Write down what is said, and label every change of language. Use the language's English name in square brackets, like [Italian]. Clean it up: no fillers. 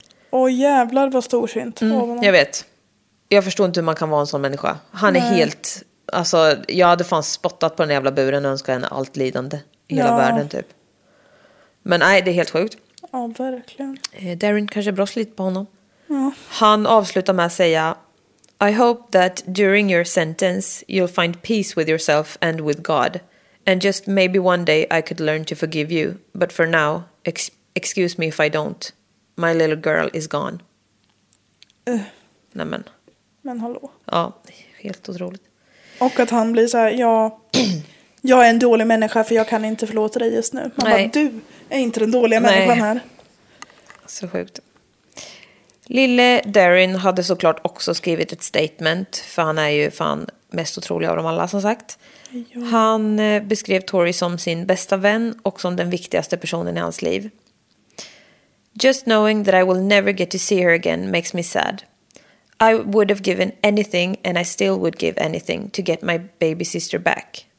[Swedish] Åh jävlar vad storsint. Mm, jag vet. Jag förstår inte hur man kan vara en sån människa. Han är helt, alltså jag hade fan spottat på den jävla buren och önskat henne allt lidande i hela världen typ. Men nej, det är helt sjukt. Ja, verkligen. Darren kanske brås lite på honom. Ja. Han avslutar med att säga: [English] I hope that during your sentence you'll find peace with yourself and with God. And just maybe one day I could learn to forgive you. But for now, excuse me if I don't. My little girl is gone. [Swedish] Nämen. Men hallå. Ja, helt otroligt. Och att han blir så här: ja, jag är en dålig människa för jag kan inte förlåta dig just nu. Man bara, du är inte den dåliga människan här. Så sjukt. Lille Darren hade såklart också skrivit ett statement, för han är ju fan mest otrolig av dem alla som sagt. Ja. Han beskrev Tori som sin bästa vän och som den viktigaste personen i hans liv. [English] Just knowing that I will never get to see her again makes me sad. I would have given anything and I still would give anything to get my baby sister back.